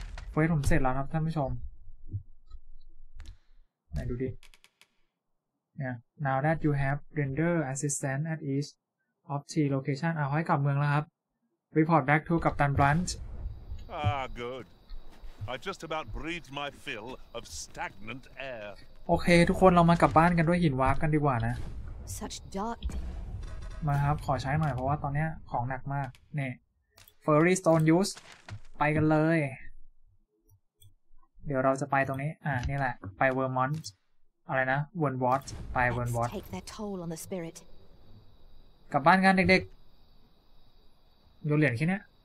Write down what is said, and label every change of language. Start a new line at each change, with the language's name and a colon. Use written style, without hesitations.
Thai: เฟสผมเสร็จแล้วครับท่านผู้ชมไหนดูดิเนี่ย
English: now that you have render assistant at each of three location
Thai: เอาให้กลับเมืองแล้วครับ
English: report back to Captain Branch ah good I just about breathed my fill of stagnant air
Thai: โอเคทุกคนเรามากลับบ้านกันด้วยหินวาร์ปกันดีกว่านะ
English: Such dark.
Thai: มาครับขอใช้หน่อยเพราะว่าตอนนี้ของหนักมากเนี่ย Furry Stone Use ไปกันเลยเดี๋ยวเราจะไปตรงนี้อ่ะนี่แหละไป Vermont อะไรนะ Wernwort ไป Wernwort
English: take their toll on the spirit
Thai: กลับบ้านกันเด็กๆโยนเหรียญแค่นี้